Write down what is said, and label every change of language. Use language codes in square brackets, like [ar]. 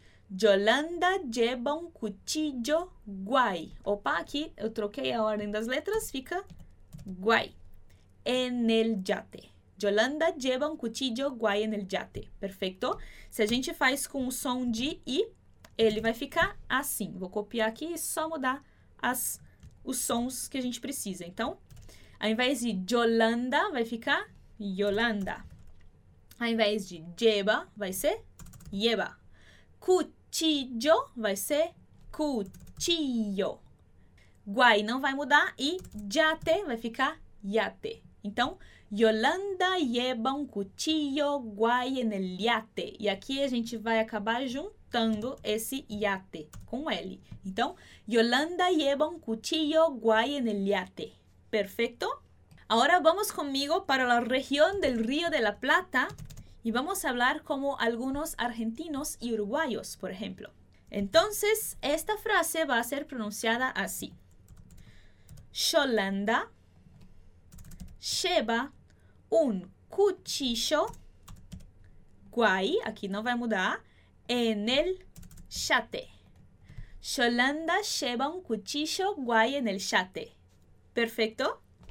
[es] Yolanda lleva un cuchillo guay. [pt] Opa, aqui eu troquei a ordem das letras, fica guay. [es] En el yate. Yolanda lleva un cuchillo guay en el yate. Perfecto. [pt] Se a gente faz com o som de I, ele vai ficar assim. Vou copiar aqui e só mudar os sons que a gente precisa. Então, ao invés de Yolanda, vai ficar Yolanda. Ao invés de lleva, vai ser lleva. Cuchillo vai ser cuchillo. Guay não vai mudar e yate vai ficar yate. [es] Então, Yolanda lleva un cuchillo guay en el yate. [pt] E aqui a gente vai acabar juntando esse yate com L. [es] Então, Yolanda lleva un cuchillo guay en el yate. Perfecto? [pt] Agora vamos comigo para a região del Río de la Plata e vamos falar como alguns argentinos e uruguaios, por exemplo. Então, esta frase vai ser pronunciada assim. [es] Yolanda lleva un cuchillo guay, aquí no va a mudar, en el yate. Yolanda lleva un cuchillo guay en el yate. Perfecto.